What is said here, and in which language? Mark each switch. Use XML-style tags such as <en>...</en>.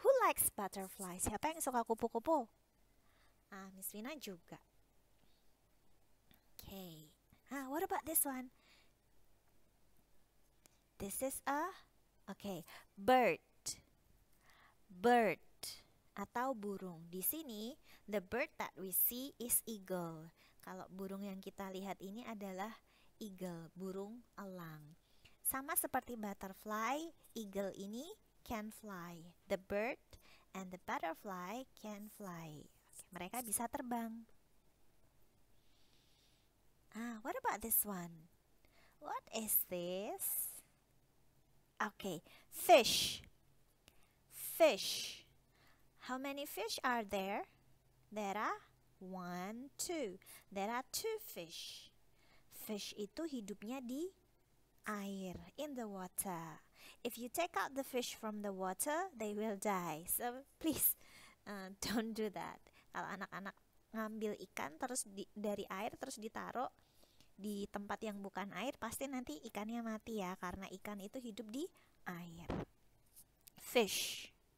<en>Who likes butterfly?</en> <id>Siapa yang suka kupu-kupu?</id> <en>Ah, Miss Vina juga. Okay. Ah, what about this one? This is a... Okay, bird. Bird.</en> <id>Atau burung. Di sini,</id> <en>the bird that we see is eagle.</en> <id>Kalau burung yang kita lihat ini adalah eagle, burung elang. Sama seperti</id> <en>butterfly, eagle ini can fly. The bird and the butterfly can fly.</en> <id>Okay, mereka bisa terbang.</id> <en>Ah, what about this one? What is this? Okay, fish. Fish. How many fish are there? There are one, two. There are two fish.</en> <id>Fish itu hidupnya di air,</id> <en>in the water. If you take out the fish from the water, they will die. So please, don't do that.</en> <id>Kalau anak-anak ngambil ikan terus dari air terus ditaruh di tempat yang bukan air, pasti nanti ikannya mati ya, karena ikan itu hidup di air. Fish.</id>